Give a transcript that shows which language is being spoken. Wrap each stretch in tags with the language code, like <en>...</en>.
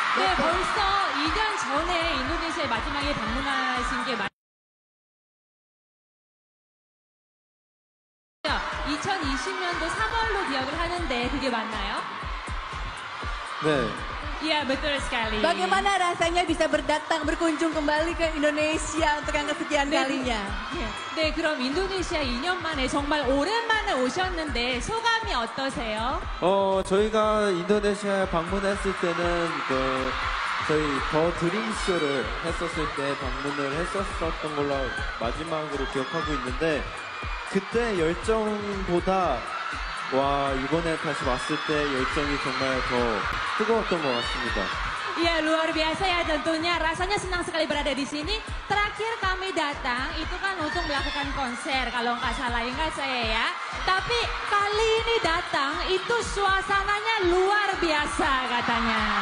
<ko>Ya, 벌써 2년 전에 인도네시아에 마지막에 방문하신 게 2020년도 3월로 기억을 하는데 그게 맞나요? 네.</ko> <id>Iya, betul sekali. Bagaimana rasanya bisa berdatang, berkunjung kembali ke Indonesia untuk yang kesekian kalinya?</id> <ko>네, 그럼 인도네시아 2년 만에 정말 오랜만에 오셨는데 소감이 어떠세요? 저희가 인도네시아에 방문했을 때는 그 저희 더 드림쇼를 했었을 때 방문을 했었던 걸로 마지막으로 기억하고 있는데 그때 열정보다 와 이번에 다시 왔을 때 열정이 정말 더 뜨거웠던 것 같습니다.</ko> <id>Iya, luar biasa ya tentunya. Rasanya senang sekali berada di sini. Terakhir kami datang itu kan untuk melakukan konser. Kalau nggak salah ingat saya ya. Tapi kali ini datang itu suasananya luar biasa katanya.</id>